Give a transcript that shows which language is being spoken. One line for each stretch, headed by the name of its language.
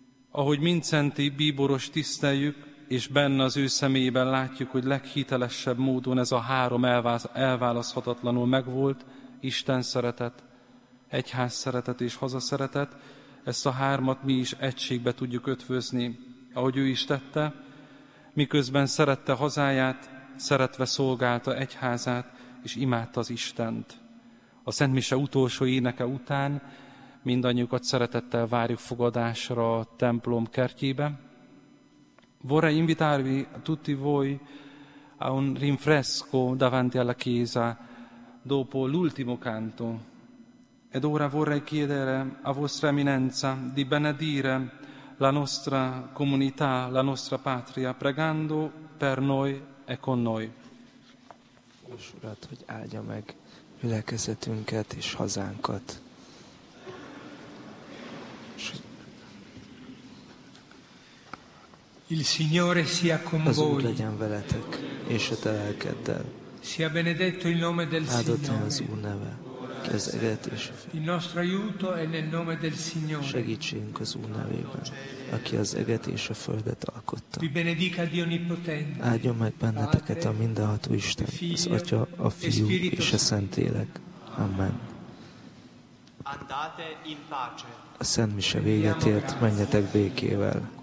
Hungarian: Ahogy Mincenti Bíboros tiszteljük, és benne az ő személyében látjuk, hogy leghitelesebb módon ez a három elválaszthatatlanul megvolt, Isten szeretet, egyház szeretet és haza szeretet, ezt a hármat mi is egységbe tudjuk ötvözni, ahogy ő is tette, miközben szerette hazáját, szeretve szolgálta egyházát, és imádta az Istent. A Szentmise utolsó éneke után mindannyiukat szeretettel várjuk fogadásra a templom kertjébe.
Italian: Vorrei invitarvi tutti voi a un rinfresco davanti alla chiesa dopo l'ultimo canto. Ed ora vorrei chiedere a vostra eminenza di benedire la nostra comunità, la nostra patria, pregando per noi e con noi.
Hungarian: Urat, hogy áldja meg gyülekezetünket és hazánkat.
Italian: Il Signore sia con voi.
Hungarian: Az Úr legyen veletek, és a te lelkeddel.
Italian: Sia benedetto il nome del Signore.
Hungarian: Áldott az Úr neve, ki az eget és a föld.
Italian: Il nostro aiuto è nel nome del Signore.
Hungarian: Segítségünk az Úr nevében, aki az eget és a földet alkotta.
Italian: Vi benedica Dio onnipotente.
Hungarian: Áldjon meg benneteket a mindenható Isten, az Atya, a Fiú és a Szentlélek. Amen.
Italian: Andate in pace.
Hungarian: A Szent Mise véget ért, menjetek békével.